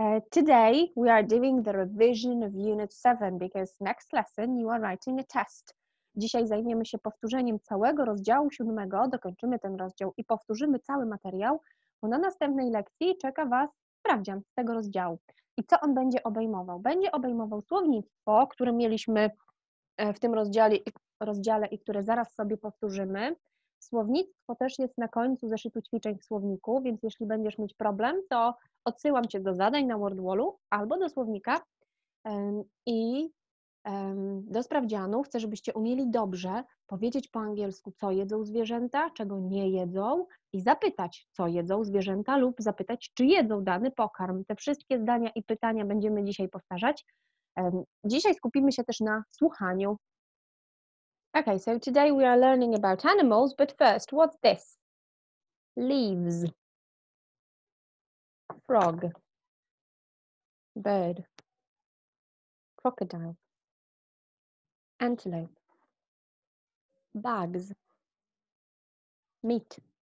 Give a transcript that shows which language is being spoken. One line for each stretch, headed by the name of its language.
English: Today we are doing the revision of Unit 7 because next lesson you are writing a test.
Polish: Dzisiaj zajmiemy się powtórzeniem całego rozdziału 7, dokończymy ten rozdział I powtórzymy cały materiał, bo na następnej lekcji czeka Was sprawdzian z tego rozdziału. I co on będzie obejmował? Będzie obejmował słownictwo, które mieliśmy w tym rozdziale I które zaraz sobie powtórzymy. Słownictwo też jest na końcu zeszytu ćwiczeń w słowniku, więc jeśli będziesz mieć problem, to odsyłam Cię do zadań na WordWallu albo do słownika I do sprawdzianu. Chcę, żebyście umieli dobrze powiedzieć po angielsku, co jedzą zwierzęta, czego nie jedzą I zapytać, co jedzą zwierzęta lub zapytać, czy jedzą dany pokarm. Te wszystkie zdania I pytania będziemy dzisiaj powtarzać. Dzisiaj skupimy się też na słuchaniu.
English: Okay, so today we are learning about animals, but first, what's this? Leaves. Frog. Bird. Crocodile. Antelope. Bugs. Meat.